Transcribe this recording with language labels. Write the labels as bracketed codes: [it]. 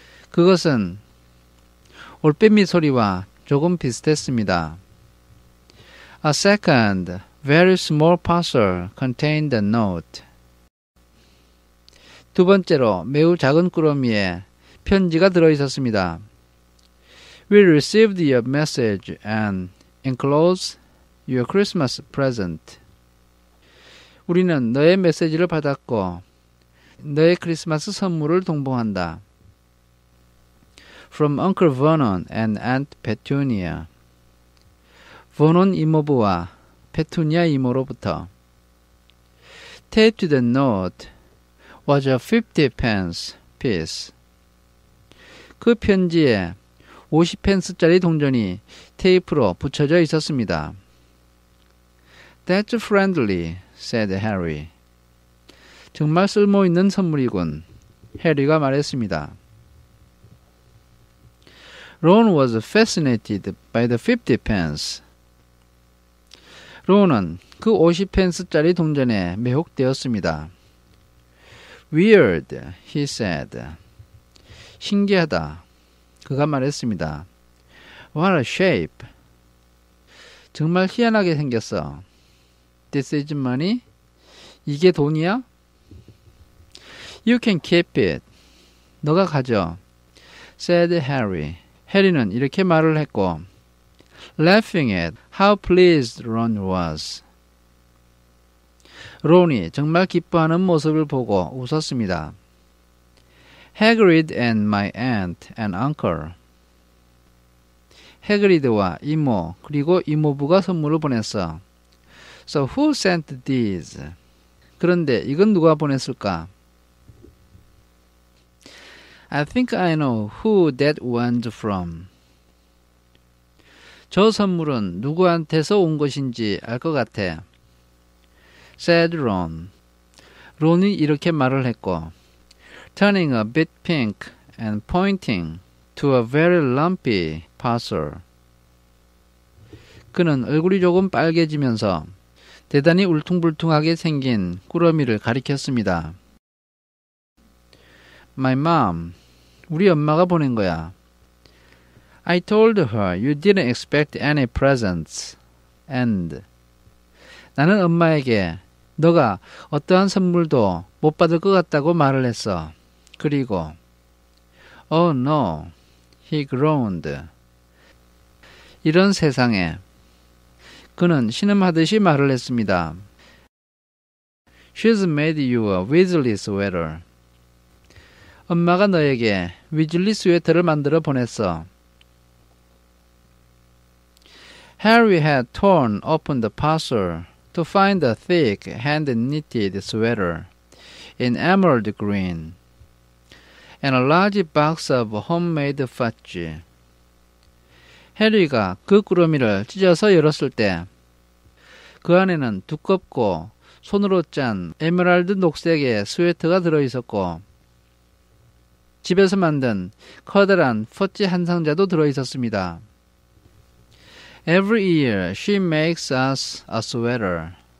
[ko] 그것은 올빼미 소리와 조금 비슷했습니다. [en] A second, very small parcel contained a note. [ko] 두 번째로 매우 작은 꾸러미에 편지가 들어 있었습니다. [en] We received your message and enclosed your Christmas present. [ko] 우리는 너의 메시지를 받았고 너의 크리스마스 선물을 동봉한다. [en] From Uncle Vernon and Aunt Petunia. [ko] 버논 이모부와 페투니아 이모로부터. [en] Taped the note was a 50 pence piece. [ko] 그 편지에 50펜스짜리 동전이 테이프로 붙여져 있었습니다. [en] That's friendly, said Harry. [ko] 정말 쓸모있는 선물이군, 해리가 말했습니다. [en] Ron was fascinated by the 50 pence. [ko] 로우는 그 50펜스짜리 동전에 매혹되었습니다. [en] Weird, he said. [ko] 신기하다, 그가 말했습니다. [en] What a shape. [ko] 정말 희한하게 생겼어. [en] This is money? [ko] 이게 돈이야? [en] You can keep it. [ko] 너가 가져. [en] Said Harry. [ko] 해리는 이렇게 말을 했고, [en] Laughing at how pleased Ron was. [ko] 론이 정말 기뻐하는 모습을 보고 웃었습니다. [en] Hagrid and my aunt and uncle. [ko] 해그리드와 이모 그리고 이모부가 선물을 보냈어. [en] So who sent these? [ko] 그런데 이건 누가 보냈을까? [en] I think I know who that one's from. [ko] 저 선물은 누구한테서 온 것인지 알 것 같아. [en] Said Ron. [ko] 론이 이렇게 말을 했고, [en] Turning a bit pink and pointing to a very lumpy parcel. [ko] 그는 얼굴이 조금 빨개지면서 대단히 울퉁불퉁하게 생긴 꾸러미를 가리켰습니다. [en] My mom. [ko] 우리 엄마가 보낸 거야. [en] I told her you didn't expect any presents, and [ko] 나는 엄마에게 너가 어떠한 선물도 못 받을 것 같다고 말을 했어. 그리고 [en] Oh no, he groaned. [ko] 이런 세상에. 그는 신음하듯이 말을 했습니다. [en] She's made you a Weasley sweater. [ko] 엄마가 너에게 위즐리 스웨터를 만들어 보냈어. [en] Harry had torn open the parcel to find a thick, hand-knitted sweater in emerald green and a large box of homemade fudge. [ko] 해리가 그 꾸러미를 찢어서 열었을 때 그 안에는 두껍고 손으로 짠 에메랄드 녹색의 스웨터가 들어있었고 집에서 만든 커다란 퍼지 한 상자도 들어있었습니다. [en] Every year she makes us a sweater.